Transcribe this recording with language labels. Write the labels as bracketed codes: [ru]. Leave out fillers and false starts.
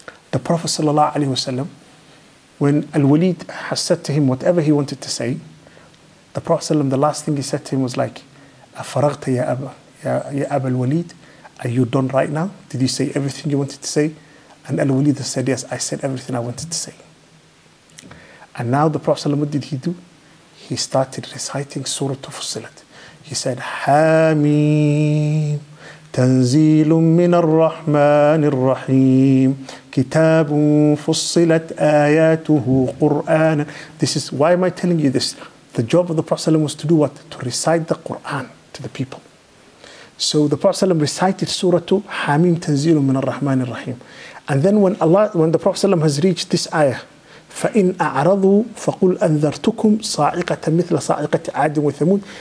[en] The Prophet sallallahu alaihi wasallam, when Al-Walid has said to him whatever he wanted to say, the Prophet sallallahu alaihi wasallam, the last thing he said to him was like, [ar] Afaraghta ya Aba al-Walid, [en] are you done right now? Did you say everything you wanted to say? And Al-Walid said, yes, I said everything I wanted to say. And now the Prophet sallallahu alaihi wasallam, what did he do? He started reciting Surah Fussilat. He said, Hameem, [ar] تنزيل من الرحمن الرحيم كتاب فصلت آياته قرآن. [en] This is why am I telling you this? The job of the Prophet was to do what? To recite the Quran to the people. So the Prophet recited Surah Hamim, [ar] تنزيل من الرحمن الرحيم. [en] And then when Allah, when the Prophet has reached this ayah, [ar] فَإِنْ أَعْرَضُوا فَقُلْ أَنذَرْتُكُمْ صَاعِقَةً مِثْلَ صَاعِقَةِ عَادٍ وَثَمُودَ.